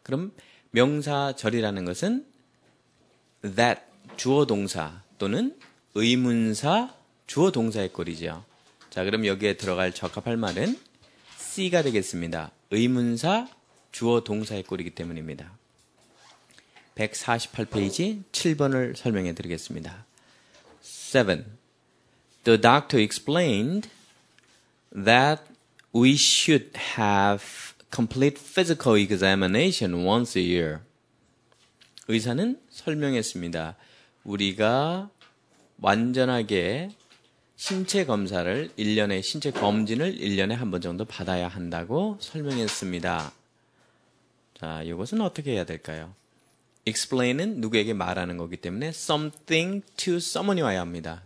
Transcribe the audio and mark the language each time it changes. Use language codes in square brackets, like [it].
[ko] 그럼 명사절이라는 것은 that 주어 동사 또는 의문사 주어 동사의 꼴이죠. 자, 그럼 여기에 들어갈 적합할 말은 C가 되겠습니다. 의문사 주어 동사의 꼴이기 때문입니다. 148페이지 7번을 설명해 드리겠습니다. 7. [en] The doctor explained that we should have complete physical examination once a year. [ko] 의사는 설명했습니다. 우리가 완전하게 신체 검사를 1년에 신체 검진을 1년에 한 번 정도 받아야 한다고 설명했습니다. 자, 이것은 어떻게 해야 될까요? explain은 누구에게 말하는 거기 때문에 [en] something to someone [ko] 이 와야 합니다.